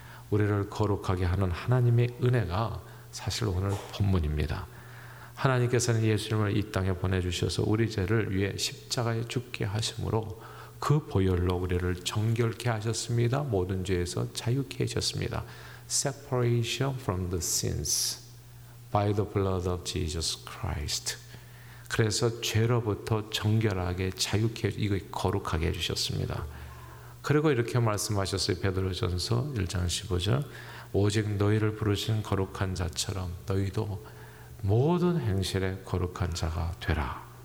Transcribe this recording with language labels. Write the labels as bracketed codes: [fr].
[ko] 우리를 거룩하게 하는 하나님의 은혜가 사실 오늘 본문입니다. 하나님께서는 예수님을 이 땅에 보내주셔서 우리 죄를 위해 십자가에 죽게 하심으로 그 보혈로 우리를 정결케 하셨습니다. 모든 죄에서 자유케 하셨습니다. [en] Separation from the sins by the blood of Jesus Christ. [ko] 그래서 죄로부터 정결하게 자유케 이거 거룩하게 해주셨습니다. 그리고 이렇게 말씀하셨어요. 베드로전서 1장 15절 오직 너희를 부르신 거룩한 자처럼 너희도 모든 행실에 거룩한 자가 되라.